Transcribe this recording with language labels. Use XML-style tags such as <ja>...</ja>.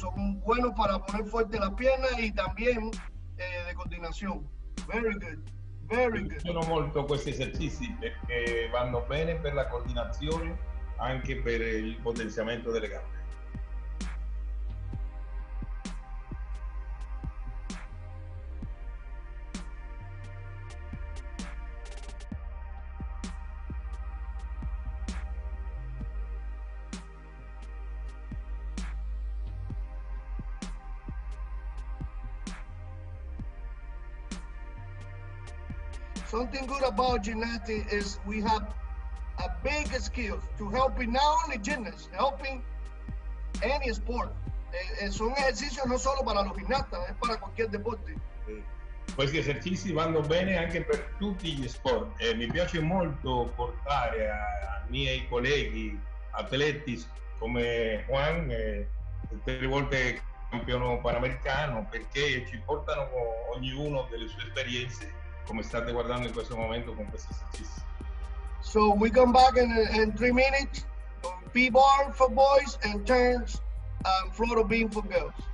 <es>Son buenos para poner fuerte la pierna y también de coordinación.</es> <en>Very good. Very good.</en> <it>Funcionano molto questi esercizi perché vanno bene per la coordinazione, anche per il potenziamento delle gambe.</it> <en>Something good about gymnastics is we have a big skill to helping not only gymnasts, helping any sport.</en> <es>Son ejercicios no solo para los gimnastas, es para cualquier deporte.</es> <it>Questi esercizi vanno bene anche per tutti gli sport. Mi piace molto portare ai miei colleghi atleti come Juan, tre volte campione panamericano, perché ci portano ognuno delle sue esperienze. Come state guardando in questo momento con questi esercizi.</it> <en>So we come back in 3 minutes. P-bar for boys and turns and floor beam for girls.</en>